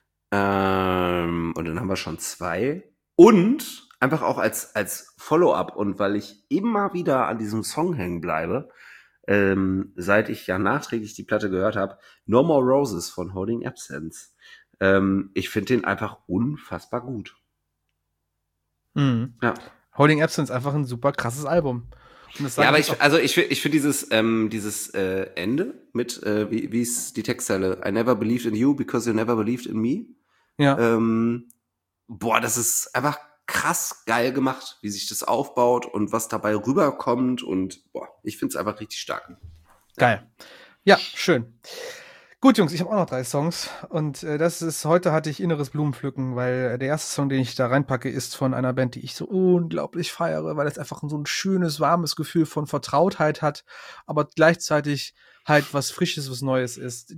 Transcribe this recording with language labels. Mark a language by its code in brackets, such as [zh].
[de] Und dann haben wir schon zwei. Und einfach auch als Follow-up, und weil ich immer wieder an diesem Song hängen bleibe, seit ich ja nachträglich die Platte gehört habe, No More Roses von Holding Absence. Ich finde den einfach unfassbar gut. Mhm. Ja. Holding Absence, einfach ein super krasses Album. Ja, aber ich finde dieses Ende mit, wie ist die Textzeile? [en] I never believed in you because you never believed in me. [de] Ja. Boah, das ist einfach krass geil gemacht, wie sich das aufbaut und was dabei rüberkommt. Und boah, ich finde es einfach richtig stark. Geil. Ja, schön. Gut, Jungs, ich habe auch noch drei Songs. Und das ist, heute hatte ich inneres Blumenpflücken, weil der erste Song, den ich da reinpacke, ist von einer Band, die ich so unglaublich feiere, weil es einfach so ein schönes, warmes Gefühl von Vertrautheit hat, aber gleichzeitig halt was Frisches, was Neues ist.